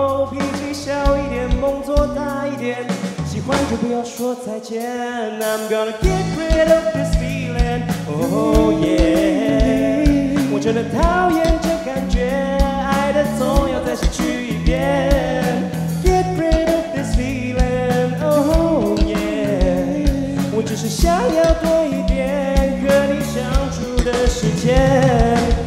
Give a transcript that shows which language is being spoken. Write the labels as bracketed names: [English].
[Chinese] 脾气小一点，梦做大一点，喜欢就不要说再见。 [English] I'm gonna get rid of this feeling. Oh yeah. [Chinese] 我真的讨厌这感觉，爱的总要再失去一遍。 [English] Get rid of this feeling, oh yeah。 [Chinese] 我只是想要多一点和你相处的时间。